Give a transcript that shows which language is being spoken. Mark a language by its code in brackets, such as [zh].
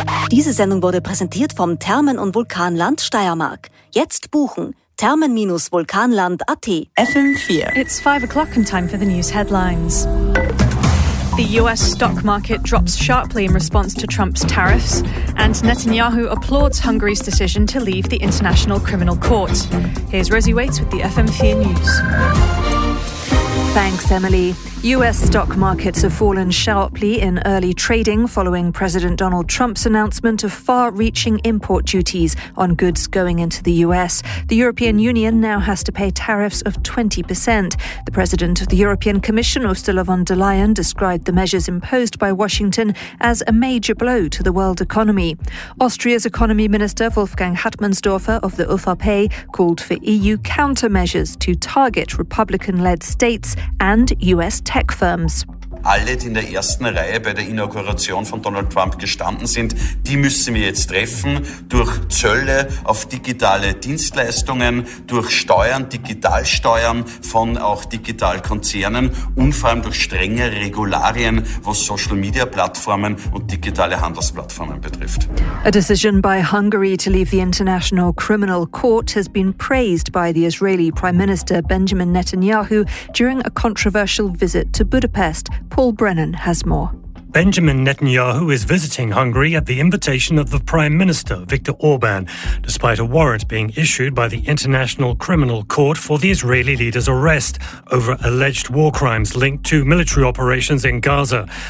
[de] Die Sendung wurde präsentiert vom Thermen- und Vulkanland Steiermark. Jetzt buchen. Thermen-Vulkanland.at. FM4. [en] It's 5 o'clock and time for the news headlines. The US stock market drops sharply in response to Trump's tariffs. And Netanyahu applauds Hungary's decision to leave the International Criminal Court. Here's Rosie Waits with the FM4 news. Thanks, Emily. U.S. stock markets have fallen sharply in early trading following President Donald Trump's announcement of far-reaching import duties on goods going into the U.S. The European Union now has to pay tariffs of 20%. The president of the European Commission, Ursula von der Leyen, described the measures imposed by Washington as a major blow to the world economy. Austria's economy minister, Wolfgang Hartmannsdorfer of the ÖVP, called for EU countermeasures to target Republican-led states and U.S. tech firms. [de] Alle, die in der ersten Reihe bei der Inauguration von Donald Trump gestanden sind, die müssen wir jetzt treffen durch Zölle auf digitale Dienstleistungen, durch Steuern, Digitalsteuern von auch Digitalkonzernen und vor allem durch strenge Regularien, was Social-Media-Plattformen und digitale Handelsplattformen betrifft. [en] A decision by Hungary to leave the International Criminal Court has been praised by the Israeli Prime Minister Benjamin Netanyahu during a controversial visit to Budapest. Paul Brennan has more. Benjamin Netanyahu is visiting Hungary at the invitation of the Prime Minister, Viktor Orban, despite a warrant being issued by the International Criminal Court for the Israeli leader's arrest over alleged war crimes linked to military operations in Gaza.